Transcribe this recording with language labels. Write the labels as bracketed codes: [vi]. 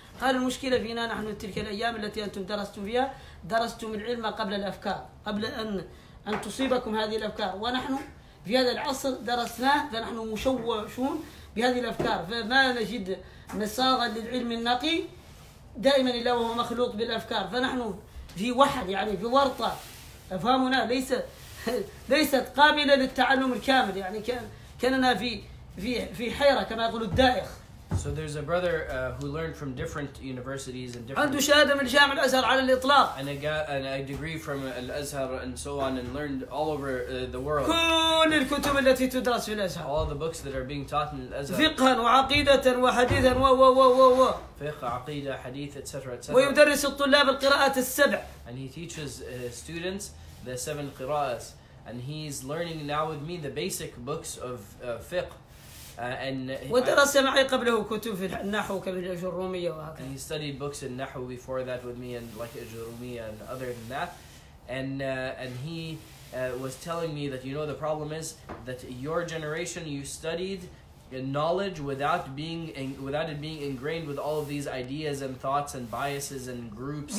[ar] قال المشكلة فينا نحن تلك الأيام التي أنتم درستم فيها درستم العلم قبل الأفكار قبل أن تصيبكم هذه الأفكار ونحن في هذا العصر درسناه فنحن مشوشون بهذه الأفكار فما نجد مساغا للعلم النقي دائما إلا وهو مخلوط بالأفكار فنحن في وحل يعني في ورطة أفهامنا ليست قابلة للتعلم الكامل يعني كأننا في حيرة كما يقول الدائخ. [en] So there's a brother who learned from different universities and different. [ar] عنده شهادة من جامع الأزهر على الإطلاق. [en] And a degree from Al Azhar and so on and learned all over the world. [ar] كل الكتب التي تدرس في الأزهر. [en] All the books that are being taught in Al Azhar. [ar] فقها وعقيدة وحديثا و و و و و. فقه عقيدة حديث [en] etc etc. [ar] ويدرس الطلاب القراءات السبع. [en] And he teaches students the seven qiraas and he's learning now with me the basic books of fiqh. [ar] ودرس معي قبله كتب في النحو كمثل الجرومية وهكذا. [en] He studied books in Nahu before that with me and like الجرومية and other than that. And he was telling me that you know the problem is that your generation you studied knowledge without it being ingrained with all of these ideas and thoughts and biases and groups.